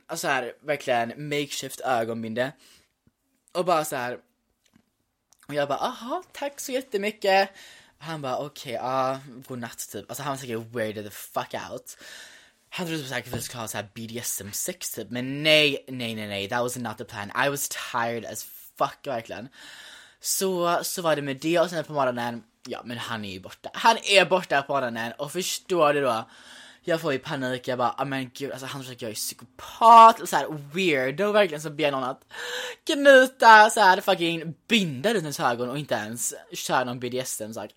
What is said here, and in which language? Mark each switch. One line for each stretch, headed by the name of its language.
Swedish: Alltså här verkligen makeshift ögonbinde. Och bara så här. Och jag bara, aha, tack så jättemycket. Och han bara, okej, okay, god natt typ. Alltså han var säkert
English: weirded the fuck out.
Swedish: Han trodde säkert att vi skulle ha så här BDSM sex typ. Men nej,
English: that was not the plan. I was tired as fuck verkligen.
Swedish: Så var det med det. Och sen på morgonen, ja men han är ju borta. Han är borta på morgonen. Och förstår du då, jag får ju panik, jag bara, men gud, alltså han tror att jag är psykopat, och såhär weirdo verkligen, så ber någon att knyta såhär fucking binda runt hans ögon och inte ens köra någon BDSM sak.